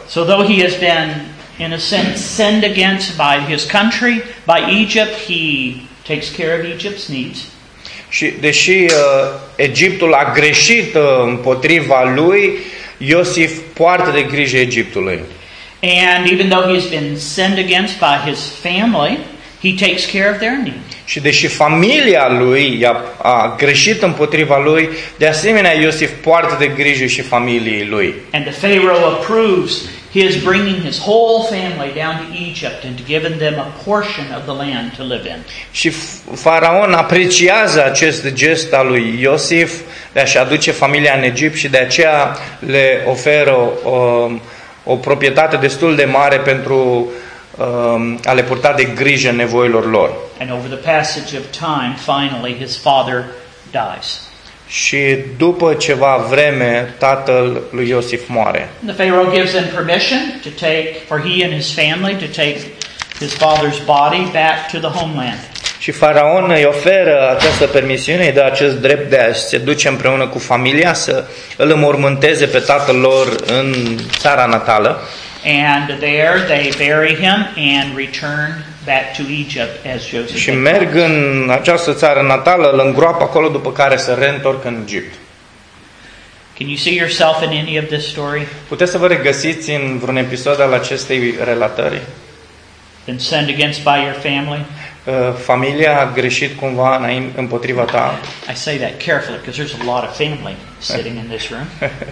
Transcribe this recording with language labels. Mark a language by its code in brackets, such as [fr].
[en] So though he has been, in a sense, sent against by his country, by Egypt, he takes care of Egypt's needs. [ro] Și deși Egiptul a greșit împotriva lui, Iosif poartă de grijă Egiptului. [en] And even though he's been sent against by his family, he takes care of their needs. [ro] Și deși familia lui a greșit împotriva lui, de asemenea Iosif poartă de grijă și familiei lui. [en] And the Pharaoh approves. He is bringing his whole family down to Egypt and giving them a portion of the land to live in. [ro] Și faraon apreciază acest gest al lui Iosif de a-și aduce familia în Egipt și de aceea le oferă o proprietate destul de mare pentru a le purta de grijă nevoilor lor. [en] And over the passage of time, finally, his father dies. [ro] Și după ceva vreme, tatăl lui Iosif moare. [en] The Pharaoh gives him permission to take, for he and his family, to take his father's body back to the homeland. [ro] Și faraon îi oferă această permisiune, îi dă acest drept de a se duce împreună cu familia să îl înmormânteze pe tatăl lor în țara natală. [en] And there they bury him and return back to Egypt as Joseph. [ro] Și merg în această țară natală, îl îngroapă acolo, după care se reîntorc în Egipt. [en] Can you see yourself in any of this story? [ro] Puteți să vă regăsiți în vreun episod al acestei relatări? [en] Been sent against by your family? [ro] Familia a greșit cumva împotriva ta? [en] I say that carefully because there's a lot of family sitting in this room.